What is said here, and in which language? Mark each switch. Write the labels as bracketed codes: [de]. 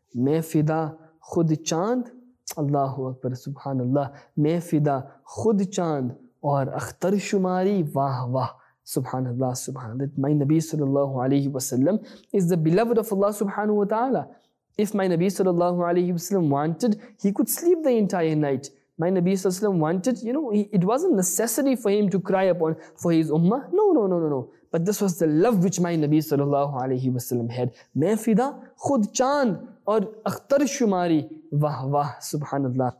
[ur] میں فدا خود چاند اللہ اکبر سبحان اللہ میں فدا خود چاند اور اختر شماری واہ واہ سبحان اللہ سبحان اللہ [en] My Nabi sallallahu alayhi wa sallam is the beloved of Allah subhanahu wa ta'ala. If my Nabi sallallahu alayhi wa sallam wanted, he could sleep the entire night. My Nabi sallallahu alayhi wa sallam wanted, you know, it wasn't necessary for him to cry upon for his ummah. No. But this was the love which my Nabi sallallahu alayhi wa sallam had. [ur] میں فدا خود چاند اور اختر شماری واہ واہ سبحان اللہ.